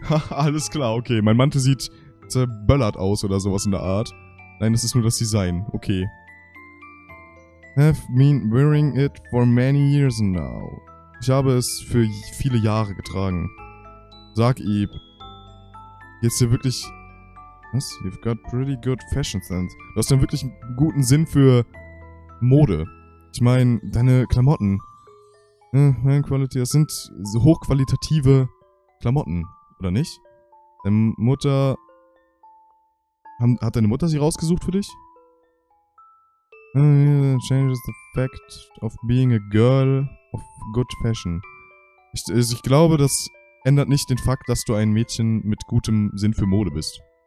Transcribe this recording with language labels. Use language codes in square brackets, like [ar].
[de] alles klar, okay. Mein Mantel sieht zerböllert aus oder sowas in der Art. Nein, das ist nur das Design. Okay. [en] Have been wearing it for many years now. [de] Ich habe es für viele Jahre getragen. Sag, Eve. Jetzt hier wirklich... Was? [en] You've got pretty good fashion sense. [de] Du hast dann wirklich einen guten Sinn für Mode. Ich meine, deine Klamotten. Quality, das sind so hochqualitative Klamotten, oder nicht? Deine Mutter... Hat deine Mutter sie rausgesucht für dich? [en] Changes the fact of being a girl of good fashion. [de] Ich glaube, das ändert nicht den Fakt, dass du ein Mädchen mit gutem Sinn für Mode bist.